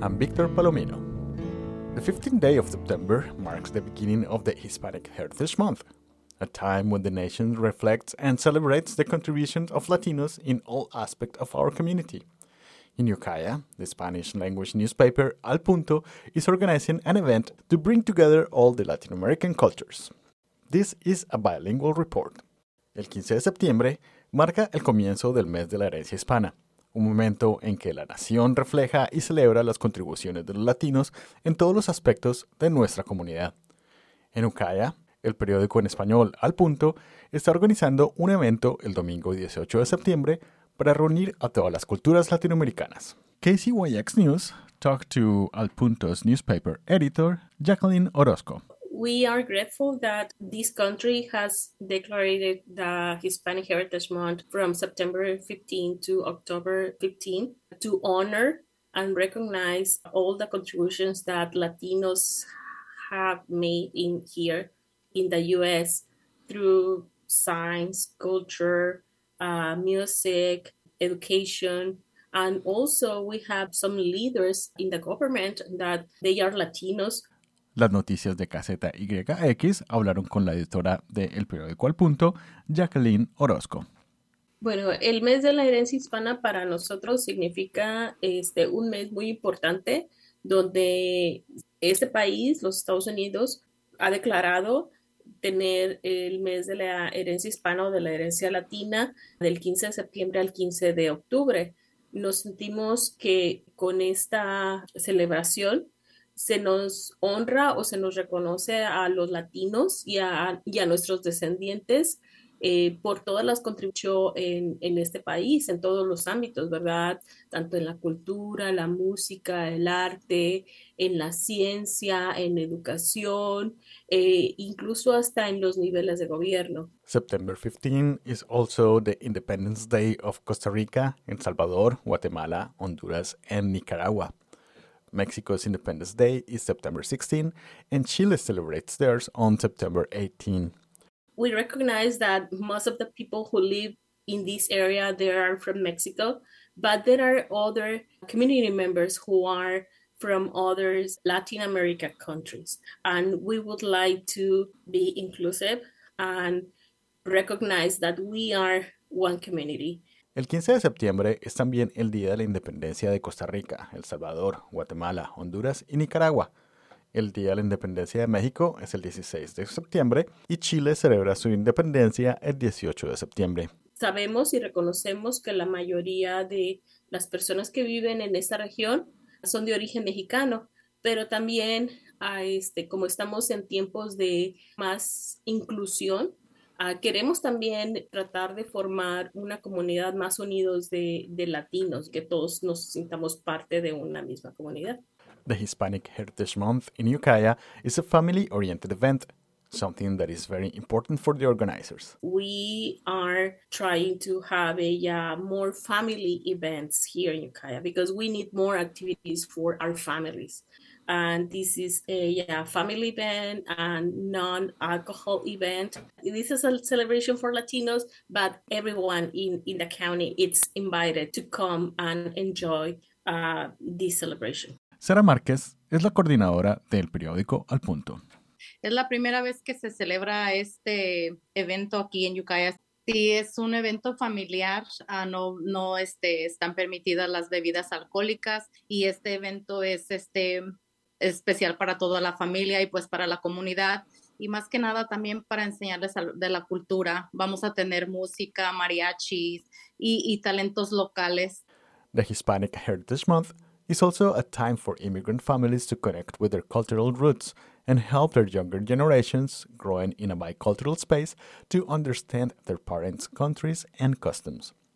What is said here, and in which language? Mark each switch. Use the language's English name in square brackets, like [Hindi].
[English] I'm Victor Palomino. The 15th day of September marks the beginning of the Hispanic Heritage Month, a time when the nation reflects and celebrates the contributions of Latinos in all aspects of our community. In Ukiah, the Spanish-language newspaper Al Punto is organizing an event to bring together all the Latin American cultures. This is a bilingual report. [Spanish] El 15 de septiembre marca el comienzo del mes de la herencia hispana, un momento en que la nación refleja y celebra las contribuciones de los latinos en todos los aspectos de nuestra comunidad. En Ukiah, el periódico en español Al Punto está organizando un evento el domingo 18 de septiembre para reunir a todas las culturas latinoamericanas. [English] KCYX News talked to Al Punto's newspaper editor, Jacqueline Orozco. We are grateful that this country has declared the Hispanic Heritage Month from September 15 to October 15 to honor and recognize all the contributions that Latinos have made in here in the U.S. through science, culture, music, education. And also we have some leaders in the government that they are Latinos. [Spanish] Las noticias de Caseta YX hablaron con la editora de El Periódico Al Punto, Jacqueline Orozco. Bueno, el mes de la herencia hispana para nosotros significa un mes muy importante donde este país, los Estados Unidos, ha declarado tener el mes de la herencia hispana o de la herencia latina del 15 de septiembre al 15 de octubre. Nos sentimos que con esta celebración se nos honra o se nos reconoce a los latinos y a nuestros descendientes por todas las contribuciones en este país, en todos los ámbitos, ¿verdad? Tanto en la cultura, la música, el arte, en la ciencia, en educación, incluso hasta en los niveles de gobierno. [English] September 15 is also the Independence Day of Costa Rica, El Salvador, Guatemala, Honduras, and Nicaragua. Mexico's Independence Day is September 16, and Chile celebrates theirs on September 18. We recognize that most of the people who live in this area, they are from Mexico, but there are other community members who are from other Latin America countries. And we would like to be inclusive and recognize that we are one community. [Spanish] El 15 de septiembre es también el Día de la Independencia de Costa Rica, El Salvador, Guatemala, Honduras y Nicaragua. El Día de la Independencia de México es el 16 de septiembre y Chile celebra su independencia el 18 de septiembre. Sabemos y reconocemos que la mayoría de las personas que viven en esta región son de origen mexicano, pero también como estamos en tiempos de más inclusión, queremos también tratar de formar una comunidad más unidos de latinos, que todos nos sintamos parte de una misma comunidad. [English] The Hispanic Heritage Month in Ukiah is a family-oriented event, something that is very important for the organizers. We are trying to have more family events here in Ukiah because we need more activities for our families. And this is a family event and non-alcohol event. This is a celebration for Latinos, but everyone in the county is invited to come and enjoy this celebration. [Spanish] Sara Márquez es la coordinadora del periódico Al Punto. Es la primera vez que se celebra este evento aquí en Ukiah. Sí, es un evento familiar, no están permitidas las bebidas alcohólicas y este evento es especial para toda la familia y pues para la comunidad y más que nada también para enseñarles de la cultura. Vamos a tener música, mariachis y talentos locales. [English] The Hispanic Heritage Month is also a time for immigrant families to connect with their cultural roots and help their younger generations growing in a bicultural space to understand their parents' countries and customs.